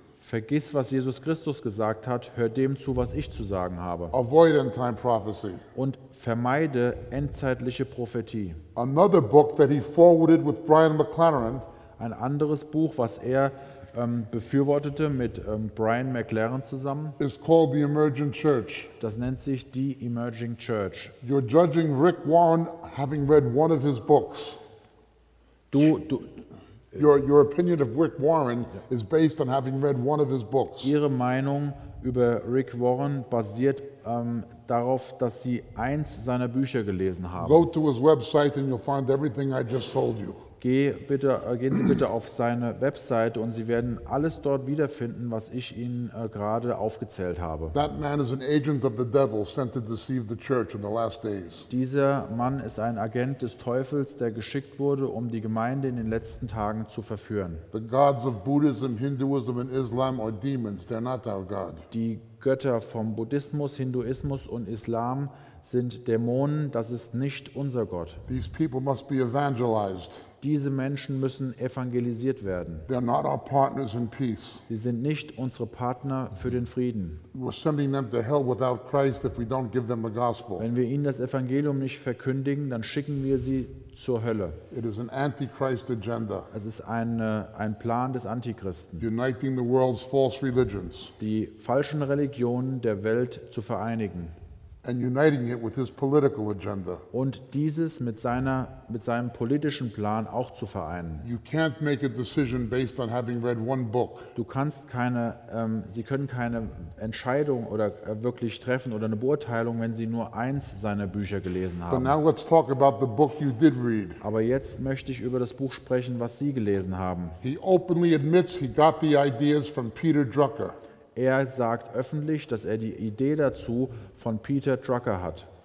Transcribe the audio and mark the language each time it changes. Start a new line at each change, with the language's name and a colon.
German: Vergiss, was Jesus Christus gesagt hat, hör dem zu, was ich zu sagen habe.
English: Avoid end-time prophecy.
German: Und vermeide endzeitliche Prophetie.
English: Another book that he forwarded with Brian McLaren,
German: ein anderes Buch, was er befürwortete mit Brian McLaren zusammen,
English: is called The Emerging Church.
German: Das nennt sich The Emerging Church.
English: You're judging Rick Warren having read one of his books. Your opinion of Rick Warren is based on having read one of his books.
German: Ihre Meinung über Rick Warren basiert darauf, dass Sie eins seiner Bücher gelesen haben.
English: Go to his website and you'll find everything I just told you.
German: Gehen Sie bitte auf seine Website und Sie werden alles dort wiederfinden, was ich Ihnen gerade aufgezählt habe.
English: That man is an agent of the devil sent to deceive the church in the last days.
German: Dieser Mann ist ein Agent des Teufels, der geschickt wurde, um die Gemeinde in den letzten Tagen zu verführen.
English: The gods of Buddhism, Hinduism and Islam are demons. They're not our God.
German: Die Götter vom Buddhismus, Hinduismus und Islam sind Dämonen. Das ist nicht unser Gott.
English: These people must be evangelized.
German: Diese Menschen müssen evangelisiert werden.
English: They're not our partners in peace.
German: Sie sind nicht unsere Partner für den Frieden.
English: We're sending them to hell without Christ if we don't give them the gospel.
German: Wenn wir ihnen das Evangelium nicht verkündigen, dann schicken wir sie zur Hölle.
English: It is an antichrist agenda.
German: Es ist ein Plan des Antichristen.
English: Uniting the world's false religions.
German: Die falschen Religionen der Welt zu vereinigen.
English: And uniting it with his political agenda.
German: Und dieses mit seinem politischen Plan auch zu vereinen.
English: You can't make a decision based on having read one book.
German: Du kannst Sie können keine Entscheidung oder wirklich treffen oder eine Beurteilung, wenn Sie nur eins seiner Bücher gelesen haben.
English: But now let's talk about the book you did read.
German: Aber jetzt möchte ich über das Buch sprechen, was Sie gelesen haben.
English: He openly admits he got the ideas from Peter Drucker.
German: Er sagt öffentlich, dass er die Idee dazu von Peter Drucker hat.